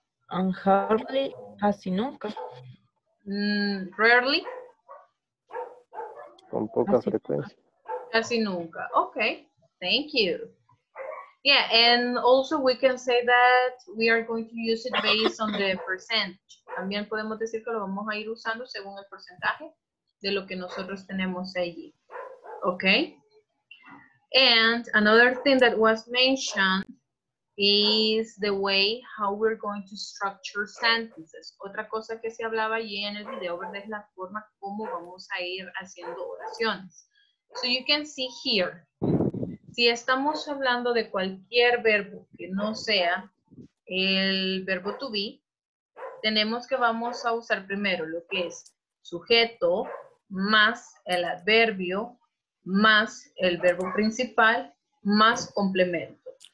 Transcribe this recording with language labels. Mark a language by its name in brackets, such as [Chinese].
[English] And hardly, [Spanish] casi nunca. [English] Rarely. [Spanish] Con poca casi frecuencia. Casi nunca. [English] Okay, thank you. Yeah, and also we can say that we are going to use it based on the percentage. [Spanish] También podemos decir que lo vamos a ir usando según el porcentaje de lo que nosotros tenemos allí. [English] Okay? And another thing that was mentioned is the way how we're going to structure sentences. [Spanish] Otra cosa que se hablaba allí en el video, ¿verdad? Es la forma como vamos a ir haciendo oraciones. [English] So you can see here, [Spanish] si estamos hablando de cualquier verbo que no sea el verbo to be, tenemos que vamos a usar primero lo que es sujeto más el adverbio más el verbo principal más complemento.